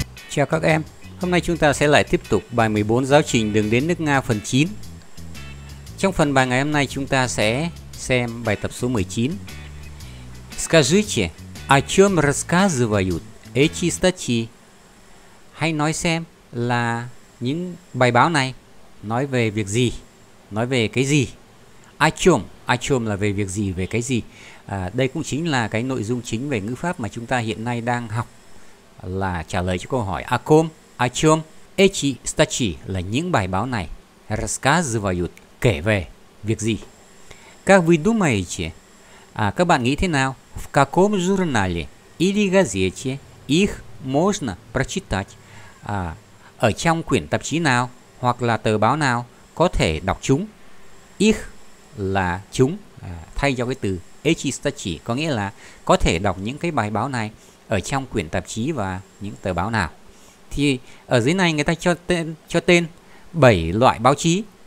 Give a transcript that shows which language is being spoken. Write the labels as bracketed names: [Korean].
[Vietnamese] Chào các em, hôm nay chúng ta sẽ lại tiếp tục bài 14 giáo trình đường đến nước Nga phần 9. Trong phần bài ngày hôm nay chúng ta sẽ xem bài tập số 19. [Russian] Скажите, о чем рассказывают эти статьи? [Vietnamese] Hãy nói xem là những bài báo này nói về việc gì, nói về cái gì? [Russian] О чем [Vietnamese] là về việc gì, về cái gì? Đây cũng chính là cái nội dung chính về ngữ pháp mà chúng ta hiện nay đang học, là trả lời cho câu hỏi [Russian] о ком, о чём, эти статьи [Vietnamese] là những bài báo này, рассказывают kể về việc gì. [Russian] Как вы думаете? [Vietnamese] Các bạn nghĩ thế nào? [Russian] В каком журнале или газете их можно прочитать? [Vietnamese] Ở trong quyển tạp chí nào hoặc là tờ báo nào có thể đọc chúng? Их là chúng, thay cho cái từ [Russian] эти статьи [Vietnamese] có nghĩa là có thể đọc những cái bài báo này ở trong quyển tạp chí và những tờ báo nào. Thì ở dưới này người ta cho tên 7 loại báo chí.